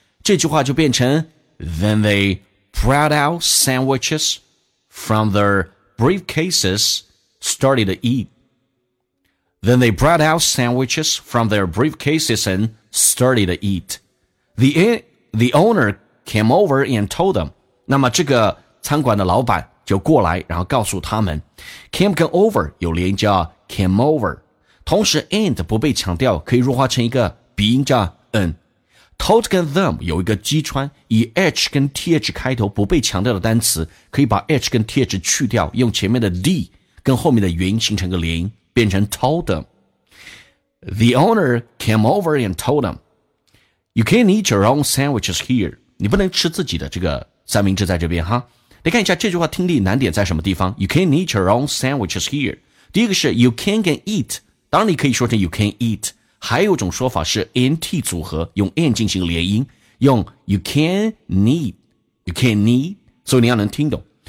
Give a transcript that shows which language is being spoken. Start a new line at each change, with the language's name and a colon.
Chinese: 这句话就变成
English: then they brought out sandwiches from their briefcases started eat， then they brought out sandwiches from their briefcases and started eat。 the owner came over and told them，
Chinese: 那么这个餐馆的老板就过来然后告诉他们。 came 跟 over 有连音叫 came over，同时 and 不被强调，可以弱化成一个鼻音叫 n。 told 跟 them 有一个击穿，以 h 跟 th 开头不被强调的单词，可以把 h 跟 th 去掉，用前面的 d 跟后面的元音形成个连音，变成 told them。
English: The owner came over and told them, "You can eat your own sandwiches here."
Chinese: 你不能吃自己的这个三明治在这边哈。来看一下这句话听力难点在什么地方。
English: You can eat your own sandwiches here，
Chinese: 第一个是 you can 跟 eat， 当然你可以说成 you can eat， 还有一种说法是 nt 组合用 n 进行连音，用 you can eat， 所以你要能听懂。